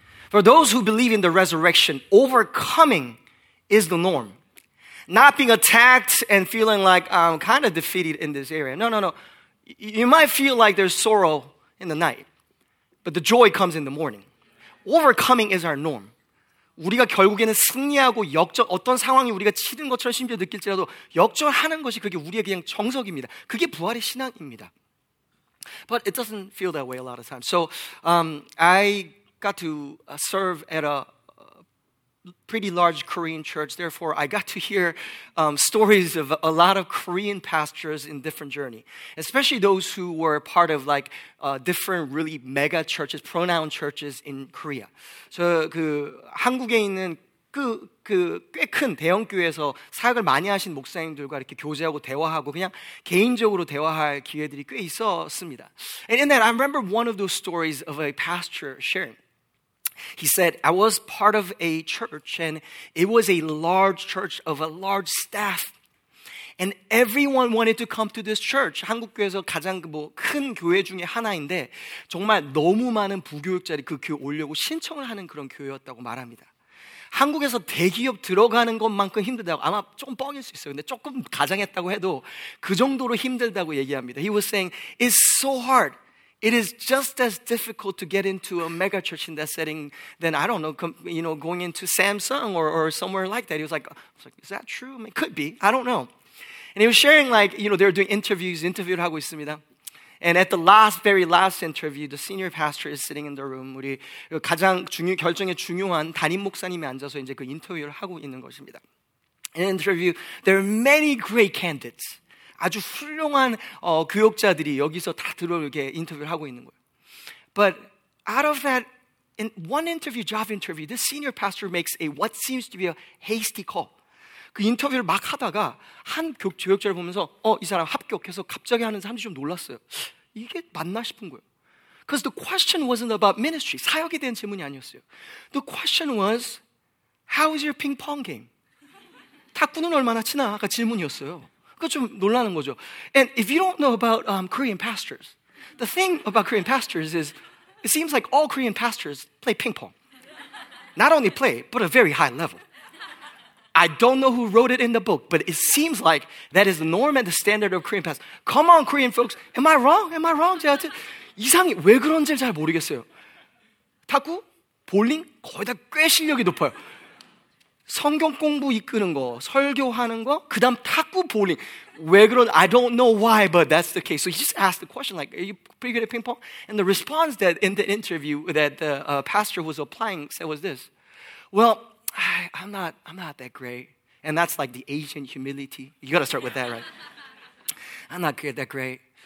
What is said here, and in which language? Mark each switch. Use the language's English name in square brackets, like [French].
[English] For those who believe in the resurrection, overcoming is the norm. Not being attacked and feeling like I'm kind of defeated in this area. No, no, no. You might feel like there's sorrow in the night, but the joy comes in the morning. Overcoming is our norm. [Korean] 우리가 결국에는 승리하고 역전, 어떤 상황이 우리가 치는 것처럼 심지어 느낄지라도 역전하는 것이 그게 우리의 그냥 정석입니다. 그게 부활의 신앙입니다. [English] But it doesn't feel that way a lot of times. So I got to serve at a pretty large Korean church. Therefore, I got to hear stories of a lot of Korean pastors in different journey, especially those who were part of like different really mega churches, pronoun churches in Korea. [Korean] 저 그 한국에 있는 그 꽤 큰 대형 교회에서 사역을 많이 하신 목사님들과 이렇게 교제하고 대화하고 그냥 개인적으로 대화할 기회들이 꽤 있었습니다. [English] And in that, I remember one of those stories of a pastor sharing. He said, I was part of a church, and it was a large church of a large staff. And everyone wanted to come to this church. [Korean] 한국 교회에서 가장 뭐 큰 교회 중에 하나인데 정말 너무 많은 부교역자들이 그 교회 오려고 신청을 하는 그런 교회였다고 말합니다. 한국에서 대기업 들어가는 것만큼 힘들다고 아마 조금 뻥일 수 있어요. 근데 조금 가장했다고 해도 그 정도로 힘들다고 얘기합니다. [English] He was saying, it's so hard. It is just as difficult to get into a mega church in that setting than, I don't know, you know, going into Samsung or somewhere like that. He was like, is that true? I mean, could be. I don't know. And he was sharing, like, you know, they were doing interviews, [Korean] 인터뷰를 하고 있습니다. [English] And at the last, very last interview, the senior pastor is sitting in the room. [Korean] 우리 가장 중요, 결정에 중요한 담임 목사님이 앉아서 이제 그 인터뷰를 하고 있는 것입니다. [English] In the interview, there are many great candidates. [Korean] 아주 훌륭한 교역자들이 여기서 다 들어오게 인터뷰를 하고 있는 거예요. [English] But out of that, in one interview, job interview, this senior pastor makes a what seems to be a hasty call. [Korean] 그 인터뷰를 막 하다가 한 교역자를 보면서 이 사람 합격해서 갑자기 하는 사람들이 좀 놀랐어요. 이게 맞나 싶은 거예요. [English] Because the question wasn't about ministry, [Korean] 사역에 대한 질문이 아니었어요. [English] The question was, how is your ping pong game? [Korean] 탁구는 얼마나 치나? 아까 질문이었어요. 그 좀 놀라는 거죠. [English] And if you don't know about Korean pastors, the thing about Korean pastors is it seems like all Korean pastors play ping pong. Not only play, but a very high level. I don't know who wrote it in the book, but it seems like that is the norm and the standard of Korean pastors. Come on, Korean folks. Am I wrong? Am I wrong? [Korean] 제가 이상해. 왜 그런지 잘 모르겠어요. 탁구, 볼링 거의 다 꽤 실력이 높아요. 성경 공부 이끄는 거, 설교하는 거, 그 다음 탁구 볼링. 왜 그런, [English] I don't know why, but that's the case. So he just asked the question, like, are you pretty good at ping pong? And the response that in the interview that the pastor was applying said was this. Well, I'm not that great. And that's like the Asian humility. You got to start with that, right? I'm not good that great.